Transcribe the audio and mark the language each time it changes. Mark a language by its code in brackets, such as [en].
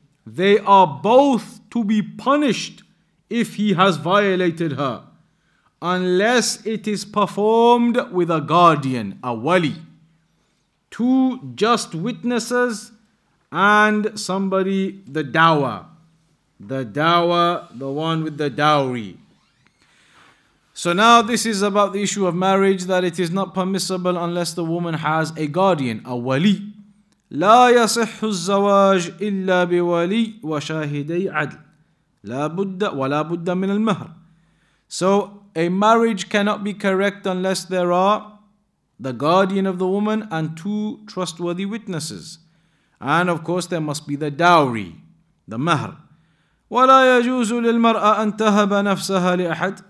[en] They are both to be punished if he has violated her, unless it is performed with a guardian, a wali, two just witnesses, and somebody, the dawah, the one with the dowry. So now this is about the issue of marriage, that it is not permissible unless the woman has a guardian, a wali. [ar] لا يصح الزواج إلا بولي وشاهدي عدل لا بد ولا بد من المهر. [en] So a marriage cannot be correct unless there are the guardian of the woman and two trustworthy witnesses. And of course there must be the dowry, the mahr. [ar] وَلَا يَجُوزُ لِلْمَرْأَ أَن تَهَبَ نَفْسَهَا لِأَحَدٍ.